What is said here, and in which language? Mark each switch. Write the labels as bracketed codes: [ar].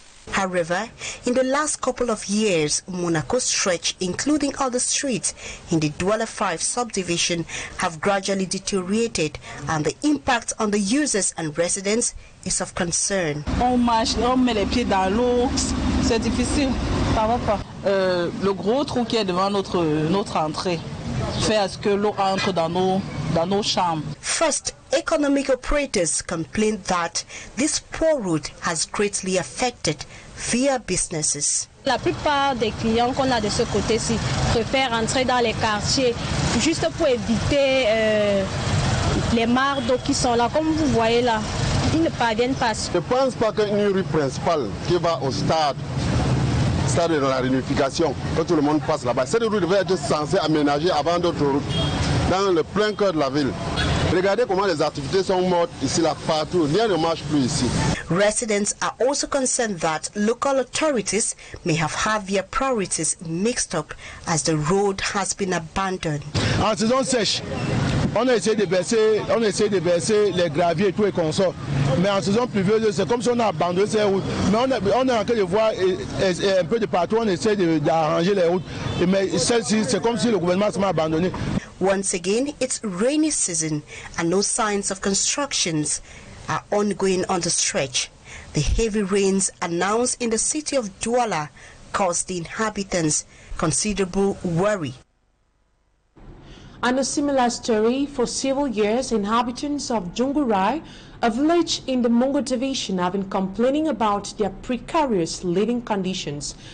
[en] However, in the last couple of years, Monaco stretch, including other streets in the Douala 5 subdivision, have gradually deteriorated, and the impact on the users and residents is of concern. [fr] On marche, on met les pieds dans l'eau, c'est difficile, ça va pas. Le gros trou qui est devant notre entrée fait à ce que l'eau entre dans nos chambres. [en] First, economic operators complain that this poor route has greatly affected via businesses. [fr] La plupart des clients qu'on a de ce côté-ci préfèrent entrer dans les quartiers juste pour éviter les mares d'eau qui sont là, comme vous voyez là. Ils ne parviennent pas. Je pense pas qu'une rue principale qui va au stade de la réunification, que tout le monde passe là-bas, cette rue devait être censée aménager avant d'autres routes dans le plein cœur de la ville. Regardez comment les activités sont mortes ici, là, partout. Rien ne marche plus ici. [en] Residents are also concerned that local authorities may have had their priorities mixed up as the road has been abandoned. [fr] En saison sèche, on a essayé de verser les graviers et tout et consorts. Mais en saison pluvieuse, c'est comme si on a abandonné ces routes. Mais on est en train de voir et un peu de partout, on essaie d'arranger les routes. Mais celle-ci, c'est comme si le gouvernement s'est abandonné. [en] Once again, it's rainy season and no signs of constructions are ongoing on the stretch. The heavy rains announced in the city of Douala caused the inhabitants considerable worry. On a similar story, for several years, inhabitants of Djungurai, a village in the Mongo Division, have been complaining about their precarious living conditions.